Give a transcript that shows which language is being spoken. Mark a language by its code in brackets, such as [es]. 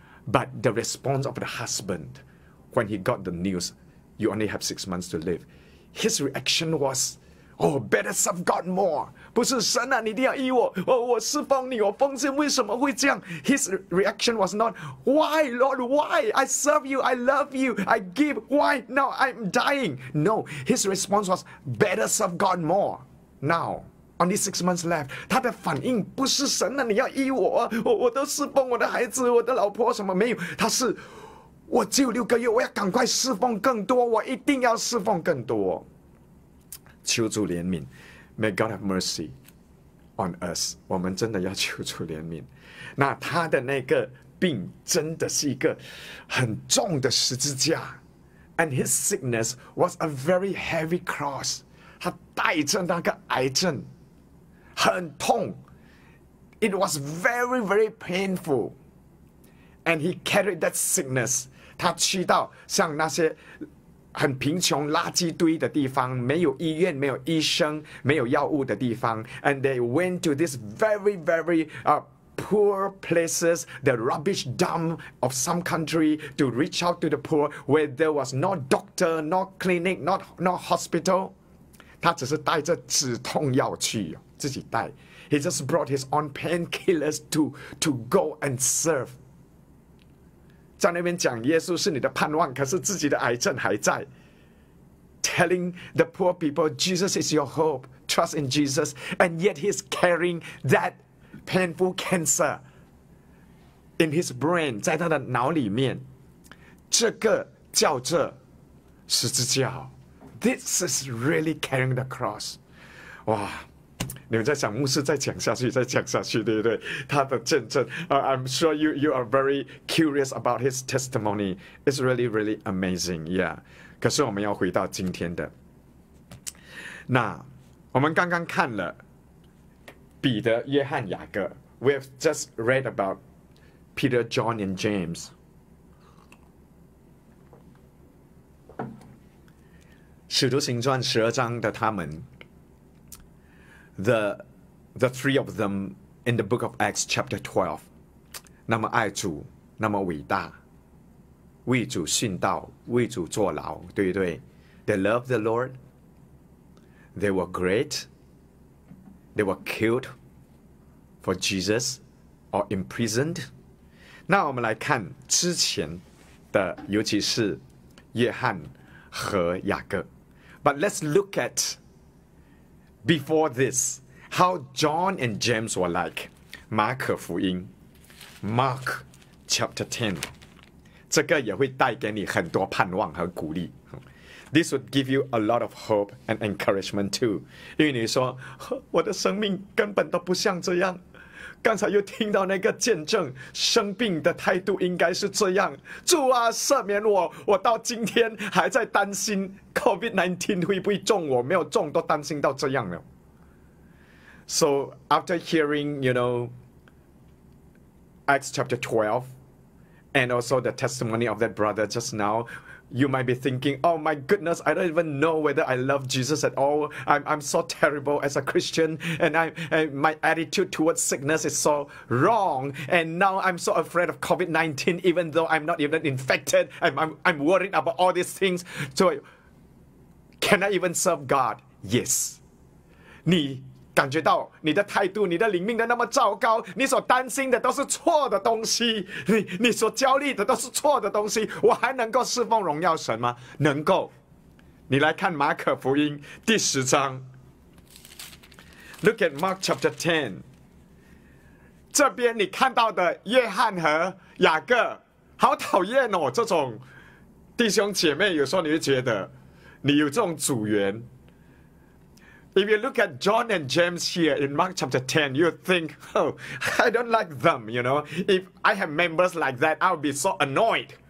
[en] But the response of the husband when he got the news, you only have 6 months to live, his reaction was, oh, better serve God more. [zh] 不是神啊，你一定要医我。哦，我侍奉你，我奉献，为什么会这样？ [en] His reaction was not, why, Lord, why? I serve you, I love you, I give. Why? Now I'm dying. No, his response was, better serve God more. Now, only 6 months left. [zh] 他的反应不是神啊，你要医我。我都侍奉我的孩子，我的老婆什么没有。他是, 我只有六个月，我要赶快侍奉更多，我一定要侍奉更多。求主怜悯, [en] may God have mercy on us. [zh] 我们真的要求主怜悯。那他的那个病真的是一个很重的十字架。 [en] And his sickness was a very heavy cross. [zh] 他带着那个癌症，很痛。 [en] It was very, very painful. And he carried that sickness. [zh] 他去到像那些很贫穷垃圾堆的地方，没有医院，没有医生，没有药物的地方。 [en] And they went to this very, very, poor places, the rubbish dump of some country to reach out to the poor where there was no doctor, no clinic, no hospital. [zh] 他只是带着止痛药去，自己带。 [en] He just brought his own painkillers to go and serve. [zh] 在那边讲耶稣是你的盼望，可是自己的癌症还在。 [en] Telling the poor people, Jesus is your hope, trust in Jesus, and yet he's carrying that painful cancer in his brain, [zh] 在他的脑里面，这个叫做十字架。 [en] This is really carrying the cross. [zh] 哇，你们在想牧师再讲下去，再讲下去，对不对？他的见证。 [en] I'm sure you are very curious about his testimony. It's really, really amazing. Yeah. [zh] 可是我们要回到今天的，那我们刚刚看了。 [en] 彼得、约翰、雅各 We've just read about Peter, John, and James. [zh] 使徒行传十二章的他们 [en] The three of them in the book of Acts chapter 12. [zh] 那么爱主，那么伟大，为主殉道，为主坐牢，对不对？ [en] They loved the Lord. They were great. They were killed. For Jesus, or imprisoned. [zh] 那我们来看之前的，尤其是约翰和雅各。 [en] But let's look at before this, how John and James were like. [zh] 马可福音 ，Mark chapter 10. 这个也会带给你很多盼望和鼓励。 [en] This would give you a lot of hope and encouragement too. [zh] 因为你说，我的生命根本都不像这样。刚才又听到那个见证，生病的态度应该是这样。主啊，赦免我，我到今天还在担心 COVID-19 会不会中我，没有中都担心到这样了。 [en] So after hearing, you know, Acts chapter 12, and also the testimony of that brother just now, you might be thinking, oh my goodness, I don't even know whether I love Jesus at all. I'm so terrible as a Christian, and my attitude towards sickness is so wrong. And now I'm so afraid of COVID-19, even though I'm not even infected. I'm worried about all these things. So can I even serve God? Yes. [zh] 你感觉到你的态度，你的灵命的那么糟糕，你所担心的都是错的东西，你所焦虑的都是错的东西，我还能够侍奉荣耀神吗？能够。你来看马可福音第十章 ， [en] Look at Mark chapter 10。 [zh] 这边你看到的约翰和雅各，好讨厌哦！这种弟兄姐妹，有时候你会觉得你有这种组员。 [en] If you look at John and James here in Mark chapter 10, you think, oh, I don't like them, you know. If I have members like that, I'll be so annoyed.